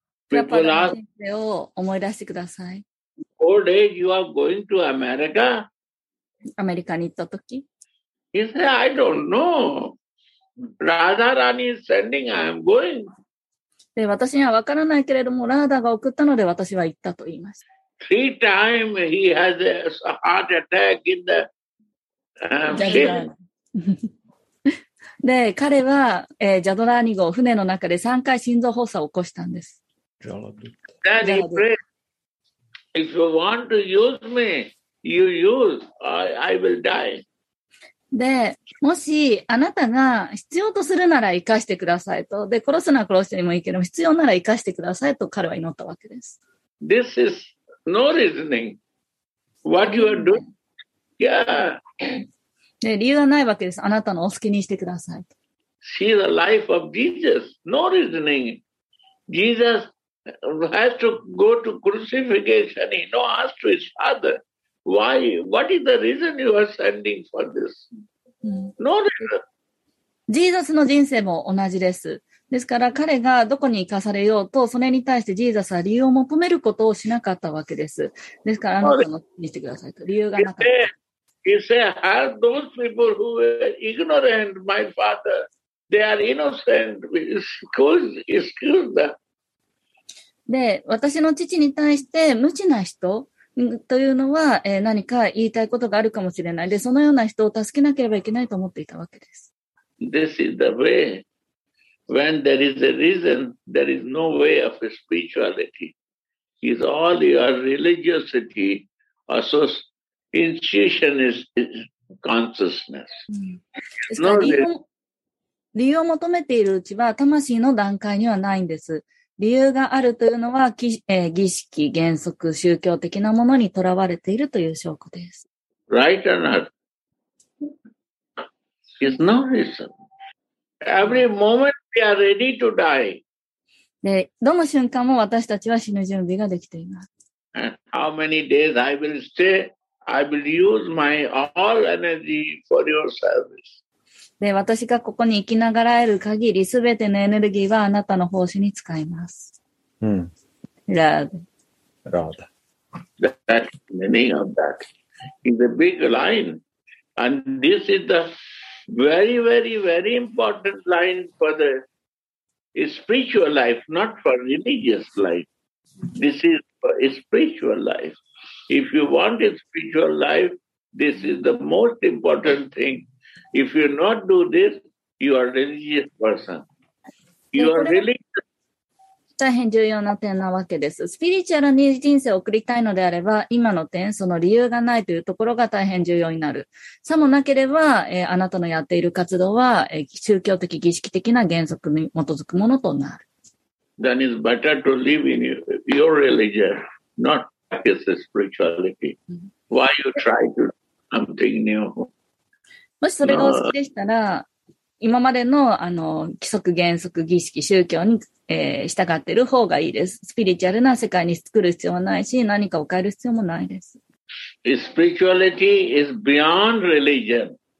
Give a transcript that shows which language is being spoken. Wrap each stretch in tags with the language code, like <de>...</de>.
<en>People ask,</en> <ja>Prabhupada の人生を思い出してください。</ja> <en>Old age, you are going to America?</en> <ja>アメリカに行ったとき。</ja> <en>He said, I don't know. Radharani is sending, I am going.</en> <ja>で、私には分からないけれども、ラーダが送ったので私は行ったと言いました。</ja> <en>Three times he has a heart attack in the ship.</en> <ja>で、彼は、ジャドラーニ号船の中で3回心臓発作を起こしたんです。</ja> <en>Then he prayed, if you want to use me, you use, I will die.</en> <ja>で、もしあなたが必要とするなら生かしてくださいと。で、殺すなら殺してもいいけども、必要なら生かしてくださいと彼は祈ったわけです。</ja> <en>This isNo reasoning. What you are doing? Yeah.</en> <ja>理由はないわけです。あなたのお好きにしてください。</ja> <en>See the life of Jesus. No reasoning. Jesus has to go to crucifixion. He now asked to his father, why? What is the reason you are sending for this? No reason.</en> <ja>Jesus の人生も同じです。ですから彼がどこに行かされようと、それに対してジーザスは理由を求めることをしなかったわけです。ですからあなたのにしてくださいと。理由がなかった。</ja> <en>He said, have those people who were ignorant, my father. They are innocent. Excuse them.</en> <ja>で、私の父に対して無知な人というのは、何か言いたいことがあるかもしれない。で、そのような人を助けなければいけないと思っていたわけです。</ja> <en>This is the way. When there is a reason, there is no way of spirituality. It's all your religiosity, institution is consciousness.</en> <ja>No, 理由を求めているうちは魂の段階にはないんです。理由があるというのは、儀式、原則、宗教的なものにとらわれているという証拠です。</ja> <en>Right or not? It's no reason. Every momentWe are ready to die.</en> <ja>で、どの瞬間も私たちは死ぬ準備ができています。</ja> <en>How many days I will stay? I will use my all energy for your service.</en> <ja>で、私がここに生きながらえる限り、すべてのエネルギーはあなたの奉仕に使います。ラーダ。ラーダ。</ja> <en>That's the meaning of that. It's a big line. And this is theVery, very, very important line for the spiritual life, not for religious life. This is for spiritual life. If you want a spiritual life, this is the most important thing. If you not do this, you are a religious person. You are religious.</en> <ja>大変重要な点なわけです。スピリチュアルに人生を送りたいのであれば、今の点、その理由がないというところが大変重要になる。さもなければ、あなたのやっている活動は、宗教的、儀式的な原則に基づくものとなる。</ja> <en>Then it's better to live in your religion, not his spirituality. Why you try to something new?</en> <ja>もしそれがお好きでしたら、今まで の規則、原則、儀式、宗教に、従っている方がいいです。スピリチュアルな世界に作る必要もないし、何かを変える必要もないです。</ja> <en>Spirituality is beyond religion.</en>